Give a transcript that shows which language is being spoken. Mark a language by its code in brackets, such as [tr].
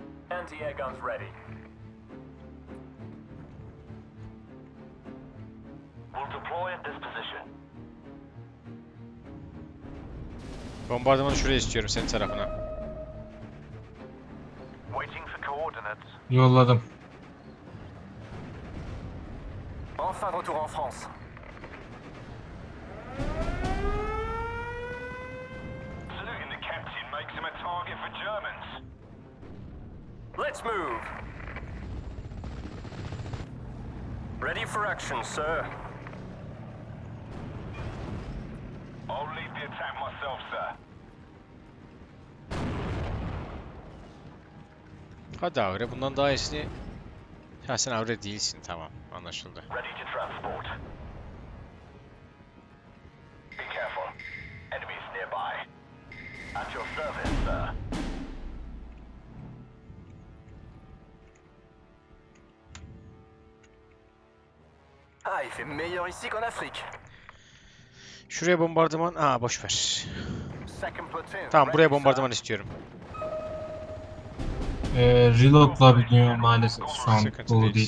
[en] Anti-air guns ready. We'll deploy at this position. [tr] Bombardımanı şuraya istiyorum, senin tarafına. [en] Waiting for coordinates. [tr] Yolladım. [fr] Enfin de retour en France. [en] Saluting the captain makes him a target for Germans. Let's move. Ready for action, sir. I'll lead the attack myself, sir. [tr] Hadi Avre, bundan daha iyisini... Ya sen Avre değilsin, tamam. Anlaşıldı. [en] Ready to transport. Be careful. Enemies nearby. At your service, sir. [fr] Ah, il fait meilleur ici qu'en Afrique. [tr] Şuraya bombardıman... Aa, boşver. Tamam, buraya bombardıman istiyorum. Reload'la bir dünya maalesef şu an dolu değil.